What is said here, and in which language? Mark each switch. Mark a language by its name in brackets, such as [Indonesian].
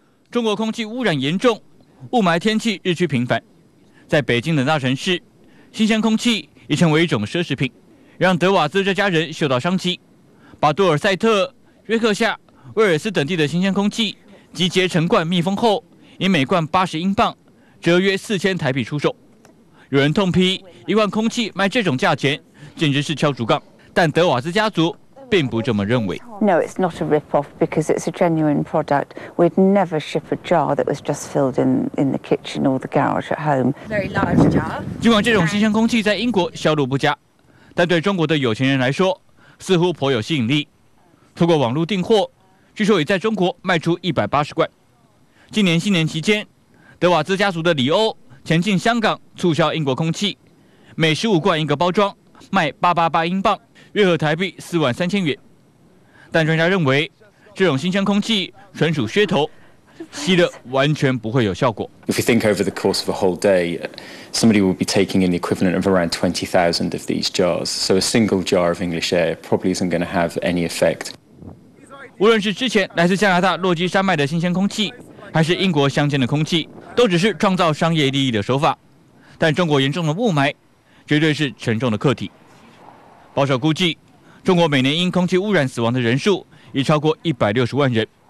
[Chinese] 中国空气污染严重，雾霾天气日趋频繁，在北京的大城市，新鲜空气已成为一种奢侈品，让德瓦兹这家人嗅到商机，把杜尔塞特、约克夏、威尔斯等地的新鲜空气集结成罐密封后，以每罐80英镑，折约4000台币出售。有人痛批一罐空气卖这种价钱，简直是敲竹杠。但德瓦兹家族并不这么认为。 [English] No, it's not a rip-off because it's a genuine product. We'd never ship a jar that was just filled in the kitchen or the garage at home. Very large jar. [Chinese] 尽管这种新鲜空气在英国销路不佳，但对中国的有钱人来说，似乎颇有吸引力。透过网络订货，据说已在中国卖出180罐。今年新年期间，德瓦兹家族的李欧前进香港促销英国空气，每15罐一个包装，卖888英镑。约合台币43000元，但专家认为，这种新鲜空气纯属噱头，吸的完全不会有效果。 [English] If you think over the course of a whole day, somebody will be taking in the equivalent of around 20,000 of these jars. So a single jar of English air probably isn't going to have any effect. [Chinese] 无论是之前来自加拿大落基山脉的新鲜空气，还是英国乡间的空气，都只是创造商业利益的手法。但中国严重的雾霾，绝对是沉重的课题。保守估计，中国每年因空气污染死亡的人数已超过160万人。